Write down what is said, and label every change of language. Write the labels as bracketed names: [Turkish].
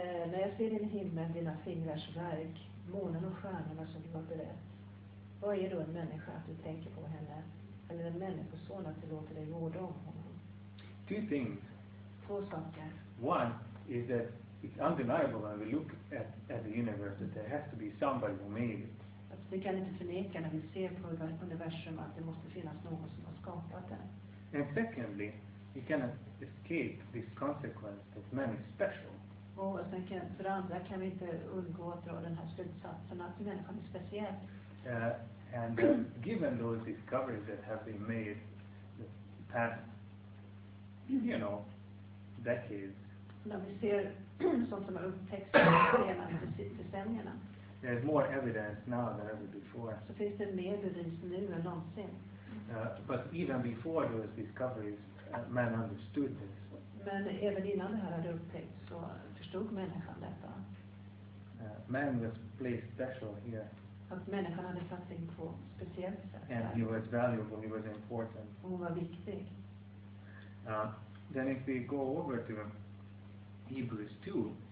[Swedish] När jag ser din himmel, dina fingrars verk, månen och stjärnorna som du har berett, vad är då en människa att du tänker på henne, eller en människoson att du låter dig vårda om honom? [English] Two things. [Swedish] Två saker. [English] One is that it's undeniable when we look at the universe that there has to be somebody who made it. [Swedish] Alltså, vi kan inte förneka när vi ser på universum att det måste finnas någon som har skapat det. [English] And secondly, you cannot escape this consequence that man is special. [Swedish] Och sen kan, för andra kan vi inte undgå att dra den här slutsatsen att människan är speciell. [English] And given those discoveries that have been made the past, you know, decades. [Swedish] När vi ser sånt som har upptäckts de senaste decennierna. [English] There's more evidence now than ever before. [Swedish] Så finns det mer bevis nu än någonsin. [English] But even before those discoveries, man understood this. [Swedish] Men även innan det här hade upptäckts så förstod människan detta. [English] Man was placed special here. [Swedish] Att människan hade satt sig på speciellt sätt. [English] And he was valuable, he was important. [Swedish] Och hon var viktig. [English] Then if we go over to Hebrews 2.